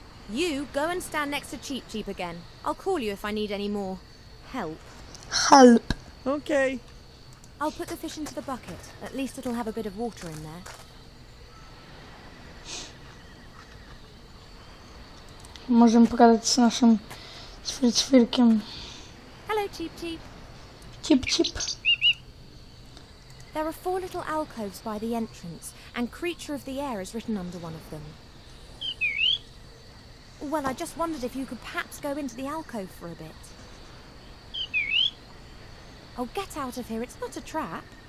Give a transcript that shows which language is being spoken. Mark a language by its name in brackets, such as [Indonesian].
[English] You go and stand next to Cheep Cheep again. I'll call you if I need any more help. Help. Okay. I'll put the fish into the bucket. At least it'll have a bit of water in there. [Polish] Możemy pogadać z naszym ćwierkiem. [English] Hello, Cheep Cheep. Cheep Cheep. There are 4 little alcoves by the entrance, and Creature of the Air is written under one of them. Well, I just wondered if you could perhaps go into the alcove for a bit. Oh, get out of here, it's not a trap.